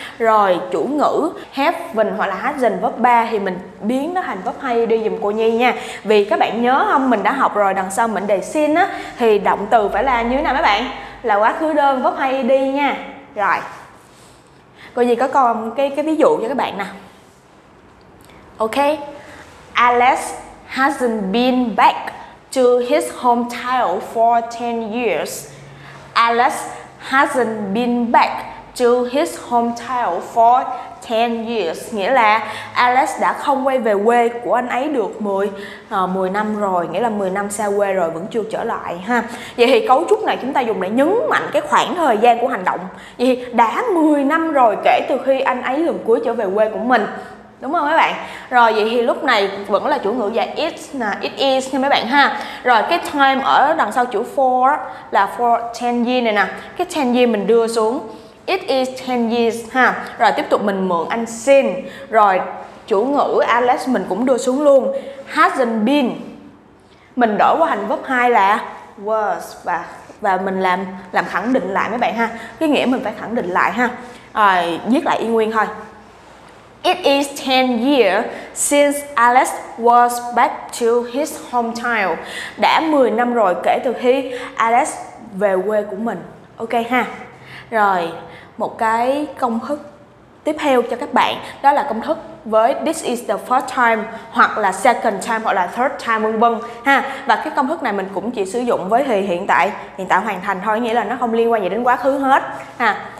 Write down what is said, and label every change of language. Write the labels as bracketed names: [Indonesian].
[Vietnamese] Rồi chủ ngữ have hoặc là hasn't verb 3 thì mình biến nó thành verb 2 đi giùm cô Nhi nha. Vì các bạn nhớ không, mình đã học rồi, đằng sau mình đề since á thì động từ phải là như thế nào mấy bạn? Là quá khứ đơn verb 2 đi nha. Rồi. Cô Nhi có còn cái ví dụ cho các bạn nè. Ok. [English] Alex hasn't been back to his hometown for 10 years. Alex hasn't been back to his hometown for 10 years. [Vietnamese] Nghĩa là Alex đã không quay về quê của anh ấy được 10 năm rồi. Nghĩa là 10 năm xa quê rồi vẫn chưa trở lại ha. Vậy thì cấu trúc này chúng ta dùng để nhấn mạnh cái khoảng thời gian của hành động. Vậy thì đã 10 năm rồi kể từ khi anh ấy lần cuối trở về quê của mình. Đúng không mấy bạn? Rồi vậy thì lúc này vẫn là chủ ngữ giả it nè, it is nha mấy bạn ha. Rồi cái time ở đằng sau chữ for là for 10 years này nè. Cái 10 years mình đưa xuống, [English] it is 10 years [Vietnamese] ha. Rồi tiếp tục mình mượn anh since. Rồi chủ ngữ Alex mình cũng đưa xuống luôn, hasn't been. Mình đổi qua thành verb 2 là was và mình làm khẳng định lại mấy bạn ha. Cái nghĩa mình phải khẳng định lại ha. Rồi viết lại y nguyên thôi. [English] It is 10 years since Alex was back to his hometown. [Vietnamese] Đã 10 năm rồi kể từ khi Alex về quê của mình. Ok ha. Rồi, một cái công thức tiếp theo cho các bạn. Đó là công thức [English] với this is the first time hoặc là second time hoặc là third time vân vân ha. [Vietnamese] Và cái công thức này mình cũng chỉ sử dụng với thì hiện tại hoàn thành thôi, nghĩa là nó không liên quan gì đến quá khứ hết ha.